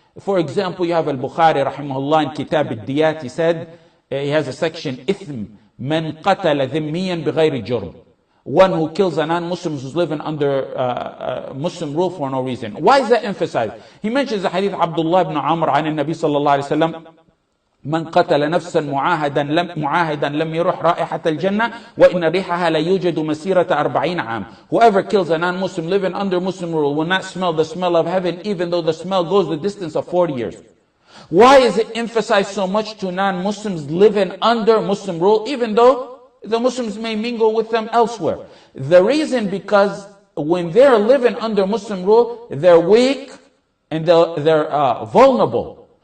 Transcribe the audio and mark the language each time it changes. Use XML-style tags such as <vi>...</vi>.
<en>For example, you have Al-Bukhari rahimahullah in Kitab al-Diyat, he said, he has a section, Ithm, man qatala dhimmiyan bighayri jurm. One who kills a non-Muslim who's living under Muslim rule for no reason. Why is that emphasized? He mentions the hadith Abdullah ibn Amr an-Nabi sallallahu alayhi wa sallam</en> <ar>من قتل نفسا معاهدا لم يروح رائحة الجنة وإن ريحها لا يوجد مسيرة 40 عام.</ar> <en>Whoever kills a non-Muslim living under Muslim rule will not smell the smell of heaven even though the smell goes the distance of 40 years. Why is it emphasized so much to non-Muslims living under Muslim rule even though the Muslims may mingle with them elsewhere? The reason because when they're living under Muslim rule, they're weak and they're vulnerable.</en>